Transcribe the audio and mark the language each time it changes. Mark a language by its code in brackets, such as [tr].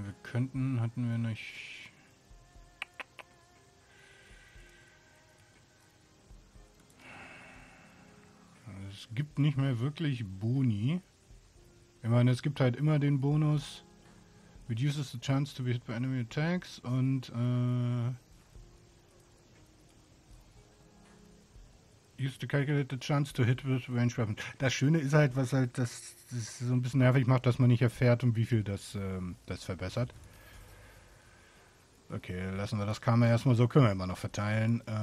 [de] Hatten wir nicht. Es gibt nicht mehr wirklich Boni. Ich meine, es gibt halt immer den Bonus. [en] Reduces the chance to be hit by enemy attacks und use to calculate the chance to hit with range weapon. [de] Das Schöne ist halt, was halt das so ein bisschen nervig macht, dass man nicht erfährt, um wie viel das verbessert. Okay, lassen wir das Karma erstmal so, können wir immer noch verteilen.